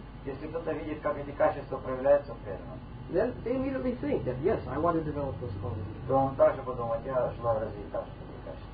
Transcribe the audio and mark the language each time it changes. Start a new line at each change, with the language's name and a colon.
Russian: если кто-то видит, как эти качества проявляются в преданном,
English: then they immediately think that yes, I want to develop those qualities.
Russian: То он также подумает, я желаю развить эти качества.